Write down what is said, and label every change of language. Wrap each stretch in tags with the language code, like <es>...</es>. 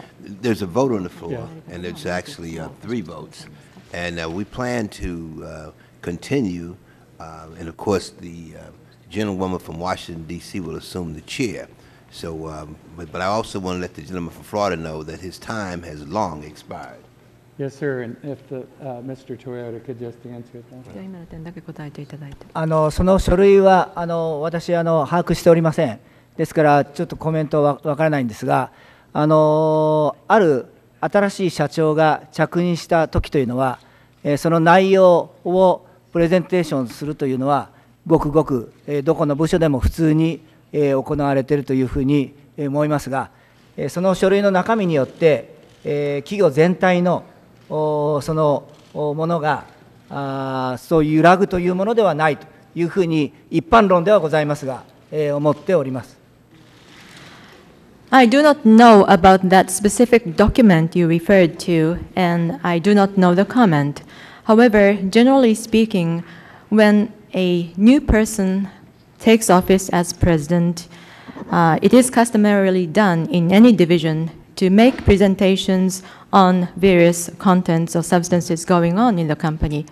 <en>There's a vote on the floor, and there's actually three votes, and we plan to continue, and of course the gentlewoman from Washington, D.C. will assume the chair. So, but I also want to let the gentleman from Florida know that his time has long expired. Yes, sir. And if the Mr. Toyota could just answer it. Then.</en> <ja>じゃあ今の点だけ答えていただいて。その書類は私把握しておりません。ですからちょっとコメントはわからないんですが、ある新しい社長が着任した時というのは、その内容をプレゼンテーションするというのはごくごく、どこの部署でも普通に行われているというふうに思いますが、その書類の中身によって企業全体のそのものがそういう揺らぐというものではないというふうに一般論ではございますが思っております。</ja> <en>I do not know about that specific document you referred to and I do not know the comment. However, generally speaking, when a new persontakes office as president, it is customarily done in any division to make presentations on various contents or substances going on in the company.</en>